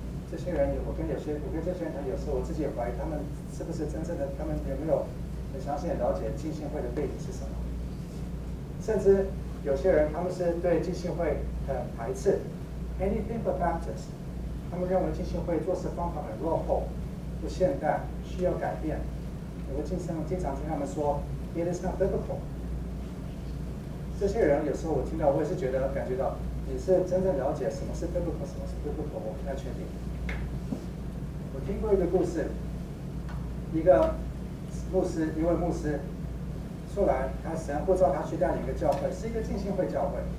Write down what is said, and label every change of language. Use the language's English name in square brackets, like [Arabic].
[Chinese] 这些人，我跟这些人谈，有时候我自己也怀疑他们是不是真正的，他们有没有很详细的了解浸信会的背景是什么。甚至有些人他们是对浸信会很排斥 ， [English] anything but Baptist， [Chinese] 他们认为浸信会做事方法很落后、不现代、需要改变。我经常听他们说 ， [English] it is not biblical。 [Chinese] 这些人有时候我听到，我也是觉得感觉到你是真正了解什么是 biblical， 什么是 biblical， 我不太确定。我听过一个故事，一个牧师，一位牧师出来，他神呼召他去带领一个教会，是一个浸信会教会。